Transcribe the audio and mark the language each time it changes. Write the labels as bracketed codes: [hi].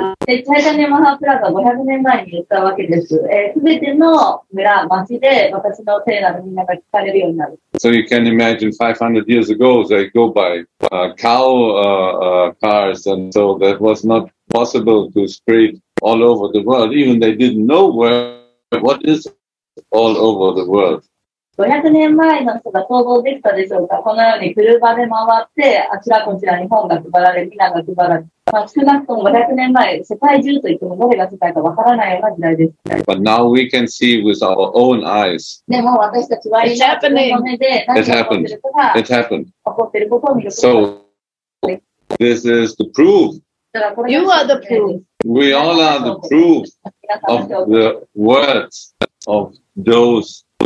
[en] world. So you can imagine 500 years ago, they go by cow cars, and so that was not possible to spread all over the world. Even they didn't know where, what is all over the world. [ja] 500年前の人が想像できたでしょうか。このように車で回って、あちらこちらに本が配られ、皆が配られ、少なくとも500年前、世界中といっても誰が世界かわからないような時代です。But [en] now we can see with our own eyes. [ja] でも私たちは今、 [en] It happened. So, this is the proof. You are the proof. We all are the proof of the words of those